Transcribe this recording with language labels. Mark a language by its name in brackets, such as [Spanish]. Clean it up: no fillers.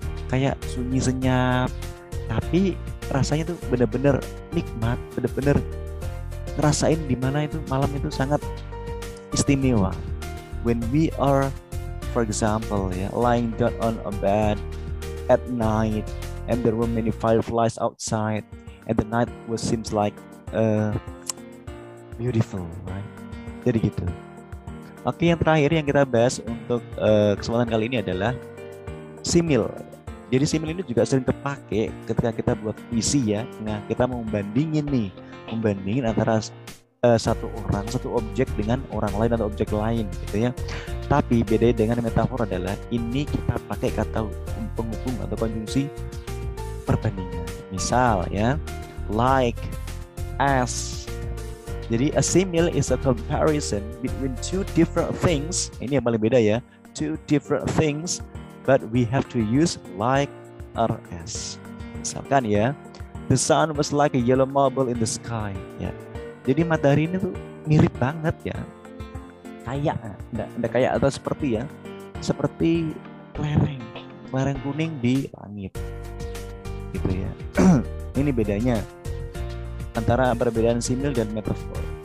[Indonesian] Kayak sunyi senyap, tapi rasanya tuh benar-benar nikmat, benar-benar ngerasain di mana itu malam itu sangat istimewa. [English] When we are, for example, ya, lying down on a bed at night, and there were many fireflies outside, and the night was seems like beautiful, right? [Indonesian] Jadi gitu. Oke, yang terakhir yang kita bahas untuk kesempatan kali ini adalah simil. Jadi simil ini juga sering kepake ketika kita buat puisi ya. Nah, kita mau membandingin antara satu orang, satu objek dengan orang lain atau objek lain gitu ya. Tapi bedanya dengan metafor adalah ini kita pakai kata penghubung atau konjungsi perbandingan. Misal ya, like, as. [English] Jadi a simile is a comparison between two different things. [Indonesian] Ini yang paling beda ya, [English] two different things, but we have to use like or as. [Indonesian] Misalkan ya, [English] the sun was like a yellow marble in the sky. [Indonesian] Ya. Jadi matahari ini tuh mirip banget ya. Kayak, enggak kayak atau seperti ya. Seperti kelereng. Kelereng kuning di langit. Gitu ya. Ini bedanya antara perbedaan simil dan metafor.